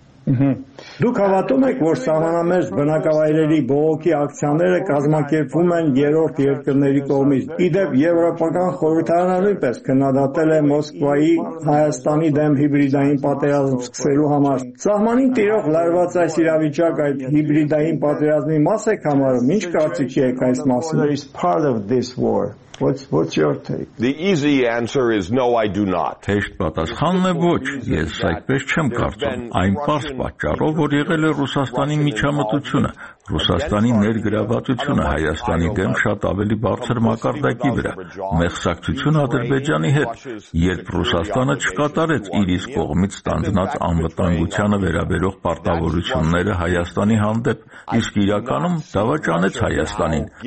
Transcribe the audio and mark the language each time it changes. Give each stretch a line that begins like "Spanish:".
Armenian: Դուք հավատում եք, որ սահմանամերձ բնակավայրերի բողոքի ակցիաները կազմակերպվում են երրորդ երկրների կողմից։ Ի դեպ, Եվրոպական խորհրդարանը նույնպես քննադատել է Մոսկվայի Հայաստանի դեմ հիբրիդային պատերազմ սկսելու համար։ Սահմանին տիրող լարված այս իրավիճակ այդ հիբրիդային պատերազմի մաս է համարում։ Ինչ կարծիքի եք այս մասին?
English: It's part of this war. What's your take? The easy answer is no, I do not.
Armenian: Հեշտ պատասխանն է ոչ, ես այդպես չեմ կարծում, այն պարզ պատճառով, որ եղել է Ռուսաստանի միջամտությունը, Ռուսաստանի ներգրավվածությունը Հայաստանի դեմ շատ ավելի բարձր մակարդակի վրա, մեղսակցությունը Ադրբեջանի հետ, երբ Ռուսաստանը չկատարեց իր իսկ կողմից ստանձնած անվտանգությանը վերաբերող պարտավորությունները Հայաստանի հանդեպ, իսկ իրականում դավաճանեց Հայաստանին,